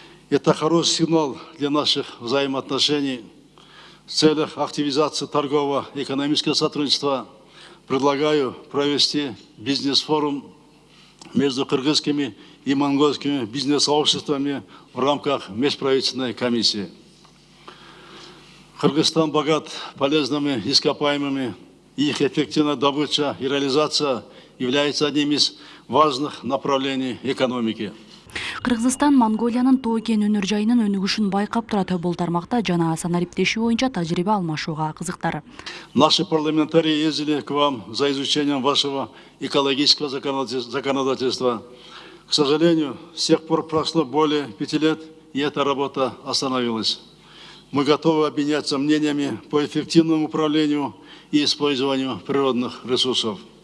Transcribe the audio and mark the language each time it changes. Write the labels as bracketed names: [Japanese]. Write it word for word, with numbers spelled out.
[Russian] Это хороший сигнал для наших взаимоотношений. В целях активизации торгового и экономического сотрудничества предлагаю провести бизнес-форум между кыргызскими и монгольскими бизнес-сообществами в рамках межправительственной комиссии. Кыргызстан богат полезными ископаемыми, и их эффективная добыча и реализация является одним из важных направлений экономики. [Kyrgyz] Кыргызстан Монголиянын тоо кен өнөр жайынын өнүгүшүн байкап турат, бул тармакта жана санариптешүү боюнча тажрыйба алмашууга кызыктары. [Russian] Наши парламентарии ездили к вам за изучением вашего экологического законодательства. К сожалению, с тех пор прошло более пяти лет, и эта работа остановилась. Мы готовы обменяться мнениями по эффективному управлению и использованию природных ресурсов.